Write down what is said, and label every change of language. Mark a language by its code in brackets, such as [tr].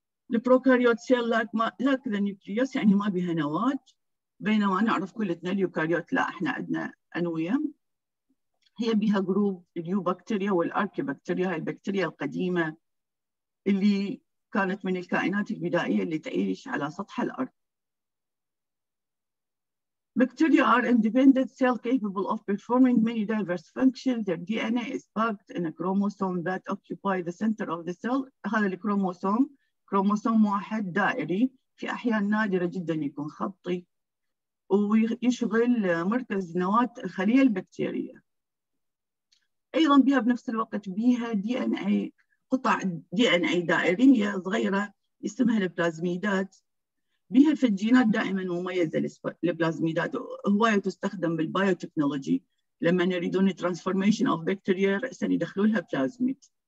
[ar] البروكاريوت [en] cell like ما like the nucleus [ar] يعني ما بها نواة، بينما نعرف كلتنا اليوكاريوت لا احنا عندنا أنوية. هي بها جروب اليوبكتيريا والأركيبكتيريا، هاي البكتيريا القديمة اللي كانت من الكائنات البدائية اللي تعيش على سطح الأرض. [en] Bacteria are independent cells capable of performing many diverse functions. Their DNA is packed in a chromosome that occupies the center of the cell. [ar] هذا الكروموسوم، كروموسوم واحد دائري في أحيان نادرة جدا يكون خطي، ويشغل مركز نواة الخلية البكتيرية. أيضا بها بنفس الوقت بها DNA، قطع دي ان اي دائريه صغيره اسمها البلازميدات، بها في الجينات دائما مميزه البلازميدات، هوايه تستخدم بالبايوتكنولوجي لما يريدون [en] transformation of bacteria [ar] راسا يدخلوا لها بلازميد.